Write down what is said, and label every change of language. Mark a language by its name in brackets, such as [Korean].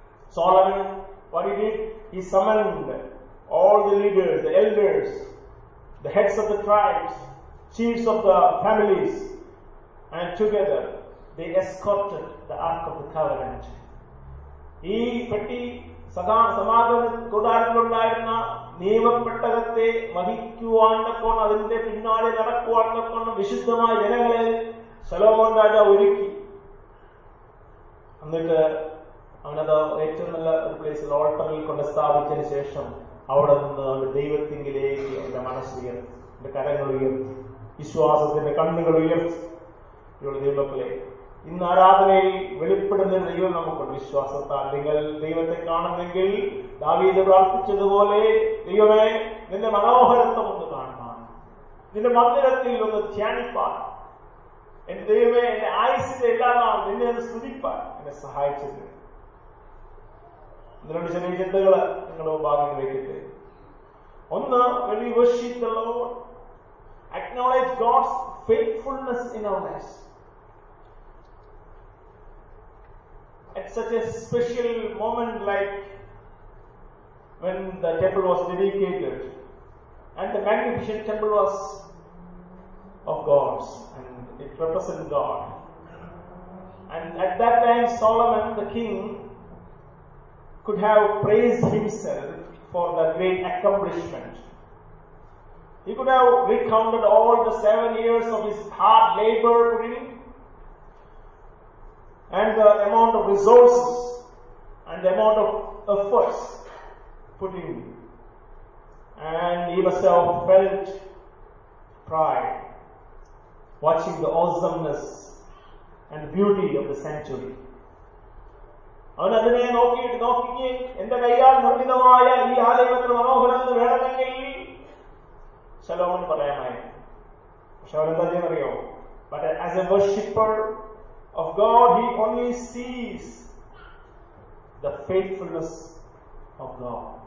[English] Solomon, what he did, he summoned all the leaders, the elders, the heads of the tribes, chiefs of the families, and together they escorted the Ark of the Covenant. [Malayalam] ഈ പെട്ടി സദാ സമാഗമ കൂടാരത്തിലുണ്ടായിരുന്ന നിയമപ്പെട്ടകത്തെ വഹിക്കുവാണ്ടപ്പോൾ, അതിന്റെ പിന്നാലെ നടക്കുവാണ്ടപ്പോൾ വിശുദ്ധമായ ജനങ്ങളെ ശലോമോൻ രാജാവ് ഒരുക്കി. എന്നിട്ട് അവനത് ഏറ്റവും നല്ല ഒരു പ്ലേസിൽ ഓൾട്ടറിൽ കൊണ്ട് സ്ഥാപിച്ചതിന് ശേഷം അവിടെ നിന്ന് അവന്റെ ദൈവത്തിങ്കിലേക്ക് അവന്റെ മനസ്സ് ഉയർത്തി, അവന്റെ കരങ്ങൾ ഉയർത്തി, വിശ്വാസത്തിന്റെ കണ്ണുകൾ ഉയർത്തി. ഇവിടെ ദൈവത്തിലെ ഇന്ന് ആരാധനയിൽ വെളിപ്പെടുന്ന ദൈവം നമുക്കുണ്ട്. വിശ്വാസത്താൽ നിങ്ങൾ ദൈവത്തെ കാണുന്നെങ്കിൽ, ദാവീദ് പ്രാർത്ഥിച്ചതുപോലെ, ദൈവമേ നിന്റെ മനോഹരത്വം ഒന്ന് കാണുവാൻ, നിന്റെ മന്ദിരത്തിൽ ഒന്ന് ധ്യാനിപ്പാൻ, എന്റെ ദൈവമേ എന്റെ ആയുസ്സിന്റെ എല്ലാം നിന്നെ ഒന്ന് സ്തുതിപ്പാൻ എന്നെ സഹായിച്ചത്. നിങ്ങളുടെ ചെറിയ ചിന്തകൾ നിങ്ങളുടെ ഭാഗം വെക്കട്ടെ. ഒന്ന്, വെളി വശീത്തുള്ളതോ, [English] Acknowledge God's faithfulness in our life. At such a special moment like when the temple was dedicated and the magnificent temple was of God's and it represented God, and at that time Solomon the king could have praised himself for that great accomplishment. He could have recounted all the 7 years of his hard labor putting and the amount of resources and the amount of efforts put in, and he must have felt pride watching the awesomeness and beauty of the sanctuary. [Malayalam] അവൻ അതിനെ നോക്കിയിട്ട് നോക്കി, എന്റെ കയ്യാൽ നിർമ്മിതമായ ഈ ആലയത്തിന് മനോഹരം വേണമെങ്കിൽ ശലോമൻ പറയാമായിരുന്നു. പക്ഷെ അവരെന്താ ചെയ്യാൻ അറിയോ? [English] But as a worshipper of God, he only sees the faithfulness of God.